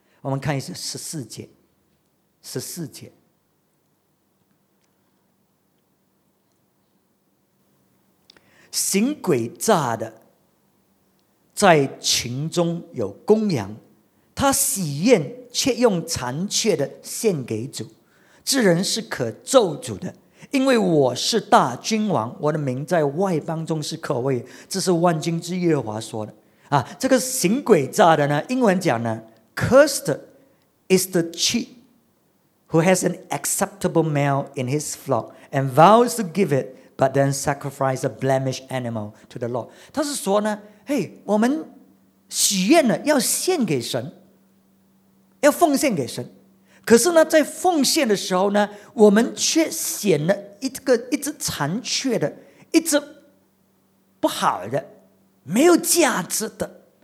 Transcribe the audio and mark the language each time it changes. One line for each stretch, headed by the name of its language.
Chinese: 我们看一下十四节，行诡诈的在群中有公羊，他喜宴却用残缺的献给主，这人是可咒诅的，因为我是大君王，我的名在外邦中是可畏，这是万军之耶和华说的啊。这个行诡诈的呢，英文讲呢
English: Cursed is the chief who has an acceptable male in his flock and vows to give it but then sacrifice a blemished animal to the Lord。
Chinese: 他是说呢，嘿，我们许愿了要献给神，要奉献给神，可是呢，在奉献的时候呢，我们却献了一只残缺的，一只不好的，没有价值的，